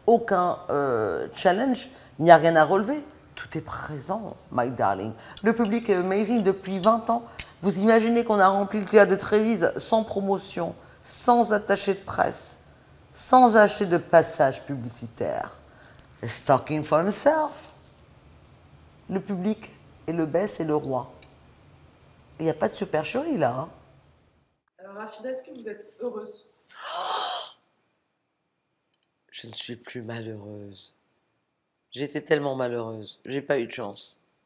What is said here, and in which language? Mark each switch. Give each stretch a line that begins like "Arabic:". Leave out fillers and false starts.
French: Aucun challenge, il n'y a rien à relever. Tout est présent,
English: my darling.
French: Le public est amazing depuis 20 ans. Vous imaginez qu'on a rempli le Théâtre de Trévise sans promotion, sans attaché de presse, sans acheter de passage publicitaire.
English: He's talking for himself.
French: Le public est le best et le roi. Il n'y a pas de supercherie là. Hein. Alors Rafida, est-ce que vous êtes heureuse? Je ne suis plus malheureuse. J'étais tellement malheureuse. Je n'ai pas eu de chance.